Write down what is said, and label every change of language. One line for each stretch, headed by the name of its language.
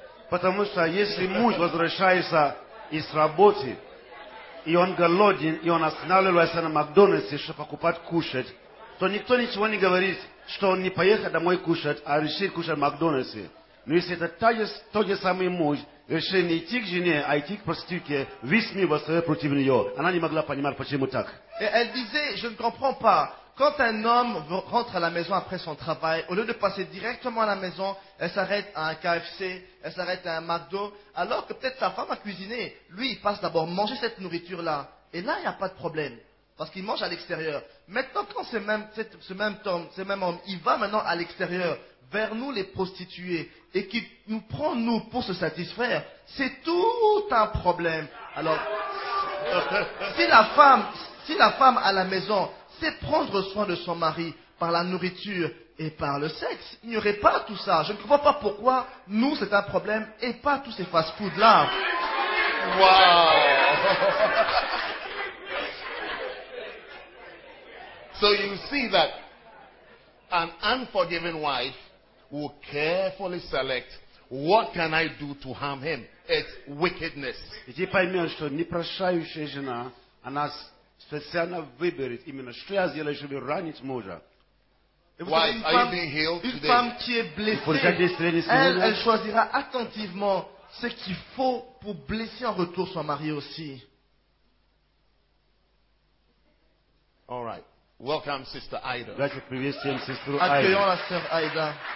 Russian: Потому что если муж возвращается из работы, и он голоден, и он останавливается на Макдональдсе, чтобы покупать кушать, то никто ничего не говорит, что он не поехал домой кушать, а решил кушать в Макдональдсе. Но если это тот же самый муж, Ещё не идти к жене, а идти к проститутке. Весь мир восстал против нее. Она не могла понимать, почему так.
French: Elle disait, je ne comprends pas. Quand un homme rentre à la maison après son travail, au lieu de passer directement à la maison, elle s'arrête à un KFC, elle s'arrête à un McDo, alors que peut-être sa femme a cuisiné. Lui, il passe d'abord manger cette nourriture-là. Et là, il n'y a pas de problème. Parce qu'il mange à l'extérieur. Maintenant, quand ce même homme, il va maintenant à l'extérieur, vers nous les prostituées, et qu'il nous prend nous pour se satisfaire, c'est tout un problème. Alors, si la femme à la maison sait prendre soin de son mari par la nourriture et par le sexe, il n'y aurait pas tout ça. Je ne comprends pas pourquoi nous c'est un problème et pas tous ces fast-foods là.
English: Wow. So you see that an unforgiving wife will carefully select what can I do to harm him. It's wickedness.
Russian: Ты поймёшь, что непрощающая жена, она специально выберет именно что я сделаю, чтобы ранить мужа.
French: Une femme qui est blessée, elle choisira attentivement ce qu'il faut pour blesser en retour son mari aussi.
English: All right. Welcome, Sister Ida.
French: Accueillons la sœur Ida.